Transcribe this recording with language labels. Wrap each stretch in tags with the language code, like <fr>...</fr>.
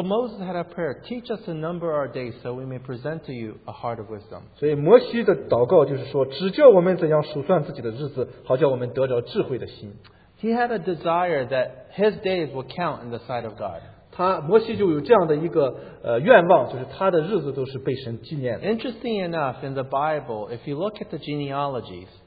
<en>Moses had a prayer, teach us to number our days so we may present to you a heart of wisdom.</en> <zh>所以摩西的祷告就是说,指教我们怎样数算自己的日子,好叫我们得着智慧的心。</zh> <en>He had a desire that his days would count in the sight of God.</en> <zh>摩西就有这样的一个愿望,就是他的日子都是被神纪念的。</zh> <en>Interesting enough, in the Bible, if you look at the genealogies,</en>